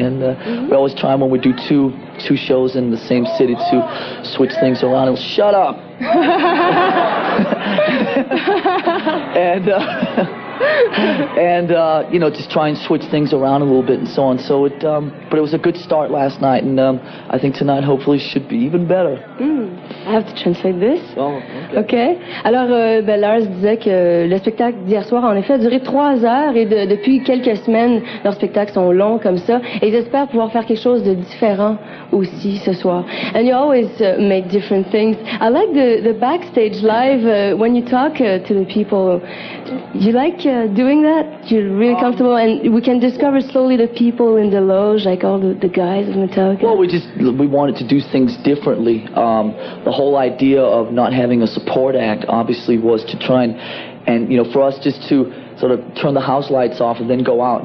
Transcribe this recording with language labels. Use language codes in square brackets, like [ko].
[en] And we always try when we do two shows in the same city to switch things around. And shut up. And you know, just try and switch things around a little bit and so on. So it but it was a good start last night, and I think tonight hopefully should be even better. I have to translate this. Oh, OK. [fr] Alors, ben Lars disait que le spectacle d'hier soir, en effet, a duré 3 heures. Et depuis quelques semaines, leurs spectacles sont longs comme ça. Et ils espèrent pouvoir faire quelque chose de différent aussi ce soir. [en] And you always make different things. I like the backstage live when you talk to the people. You like doing that? You're really comfortable? And we can discover slowly the people in the loge, like all the guys of Metallica. Well, we wanted to do things differently. The whole idea of not having a support act obviously was to try and you know, for us just to sort of turn the house lights off and then go out.